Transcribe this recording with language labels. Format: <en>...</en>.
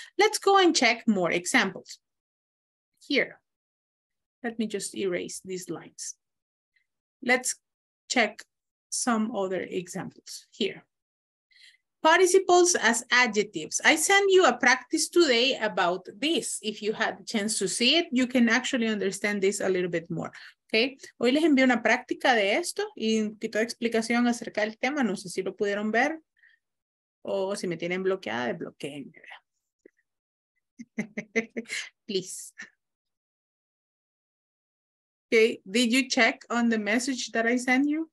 <en>Let's go and check more examples. Here, let me just erase these lines. Let's check some other examples here. Participles as adjectives. I sent you a practice today about this. If you had a chance to see it, you can actually understand this a little bit more. Okay.</en> <es>Hoy les envié una práctica de esto y un poquito de explicación acerca del tema. No sé si lo pudieron ver o si me tienen bloqueada, desbloqueenme.</es> <en>Please. Okay. Did you check on the message that I sent you?</en>